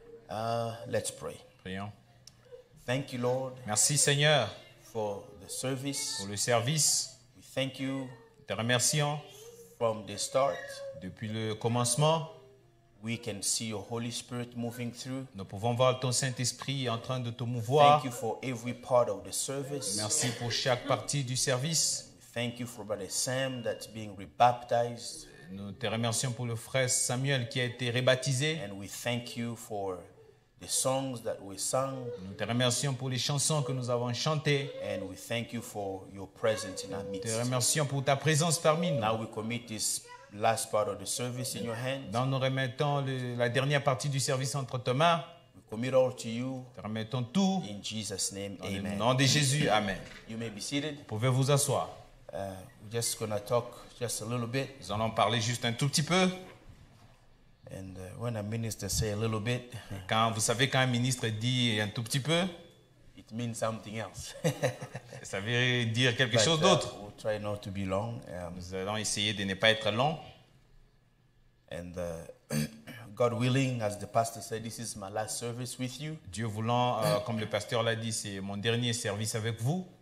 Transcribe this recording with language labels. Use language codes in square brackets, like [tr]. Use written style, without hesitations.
[en] Amen. Let's pray. [fr] Prions. [en] Thank you, Lord. [fr] Merci, Seigneur. [en] For the service. [fr] Pour le service. [en] We thank you. [fr] Te remercions. [en] From the start. [fr] Depuis le commencement. [en] We can see your Holy Spirit moving through. [fr] Nous pouvons voir ton Saint-Esprit en train de te mouvoir. [en] Thank you for every part of the service. [fr] Merci pour chaque partie du service. [en] Thank you for Brother Sam that's being rebaptized. [fr] Nous te remercions pour le frère Samuel qui a été rebaptisé. [en] And we thank you for the songs that we sang. [fr] Nous te remercions pour les chansons que nous avons chantées. [en] And we thank you for your presence in our midst. [fr] Nous te remercions pour ta présence parmi nous. [en] Now we commit this last part of the service in your hands. [fr] Dans nous remettons la dernière partie du service entre tes mains. [en] We commit all to you. [fr] Te remettons tout. [en] In Jesus' name, [fr] dans [en] amen. [fr] Dans le nom de Jésus, amen. [en] You may be seated. [fr] Vous pouvez vous asseoir. [en] We're just gonna talk just a little bit. [fr] Nous allons parler juste un tout petit peu. [en] And when a minister say a little bit, [fr] quand vous savez quand un ministre dit un tout petit peu, [en] it means something else. [fr] Ça veut dire quelque chose d'autre. [en] We'll try not to be long. [fr] Nous allons essayer de ne pas être long. [en] And God willing, as the pastor said, this is my last service with you. [fr] Dieu voulant, comme le pasteur l'a dit, c'est mon dernier service avec vous.